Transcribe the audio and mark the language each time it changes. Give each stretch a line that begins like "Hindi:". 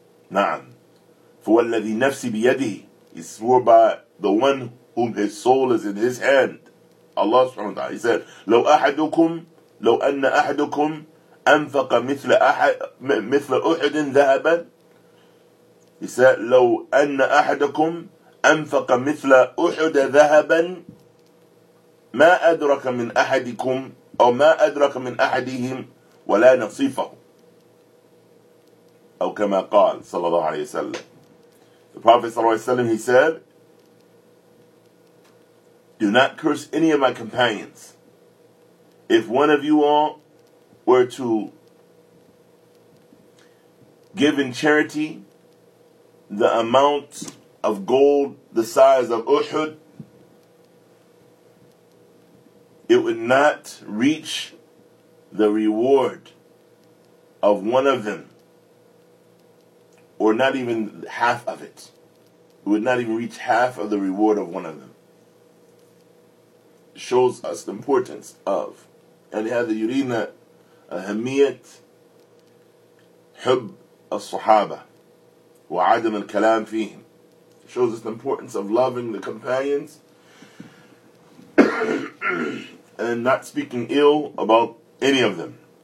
Arabic: نعم, فوالذي نفسي بيده,
English: he swore by the one whom his soul is in his hand, Allah subhanahu wa ta'ala. He said,
Arabic: لو أحدكم, لو أن أحدكم أنفق مثل أحد, مثل أحد ذهبا.
English: He said,
Arabic: لو أن أحدكم أنفق مثل أحد ذهبا ما أدرك من أحدكم أو ما أدرك من أحدهم ولا نصيفه. أو كما قال صلى الله عليه وسلم,
English: the Prophet صلى الله عليه وسلم, he said, do not curse any of my companions. If one of you all were to give in charity the amount of gold the size of Uhud, it would not reach the reward of one of them, or not even half of it. It would not even reach half of the reward of one of them. It shows us the importance of, and
Arabic: هذا يرينا أهمية حب الصحابة وعدم الكلام فيهم.
English: It shows us the importance of loving the companions and not speaking ill about any of them.